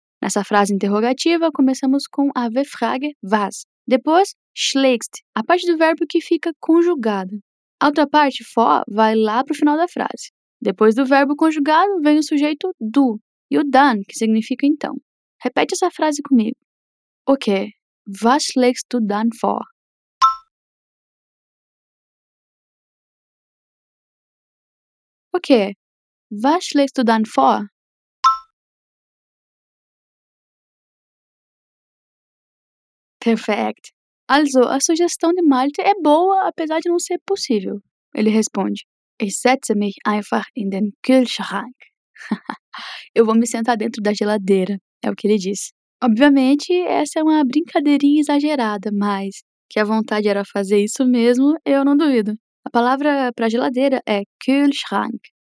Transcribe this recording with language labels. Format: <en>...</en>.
<pt>Nessa frase interrogativa, começamos com a V-Frage, was. Depois, schlägst, a parte do verbo que fica conjugada. A outra parte, vor, vai lá para o final da frase. Depois do verbo conjugado, vem o sujeito du, e o dann, que significa então. Repete essa frase comigo.</pt> <de>Ok, was schlägst du dann vor? Ok, was schlägst du dann vor?</de> <en>Perfect.</en> <pt>Also, a sugestão de Malte é boa, apesar de não ser possível.</pt> <de>Ele responde, Ich setze mich einfach in den Kühlschrank.</de> <pt>Eu vou me sentar dentro da geladeira, é o que ele diz. Obviamente, essa é uma brincadeirinha exagerada, mas que a vontade era fazer isso mesmo, eu não duvido. A palavra para geladeira é Kühlschrank.</pt>